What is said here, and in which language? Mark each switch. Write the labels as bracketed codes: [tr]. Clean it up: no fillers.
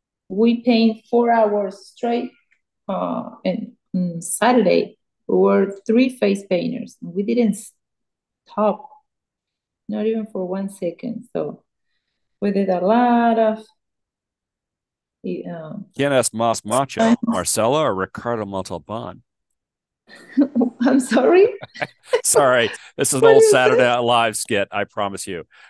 [en] We paint 4 hours straight and on Saturday. We were three face painters. We didn't stop, not even for 1 second. So we did a lot of... [es] ¿Quién es más macho, Marcela or Ricardo Montalban? [en] I'm sorry? Sorry, this is an old Saturday Night Live skit, I promise you.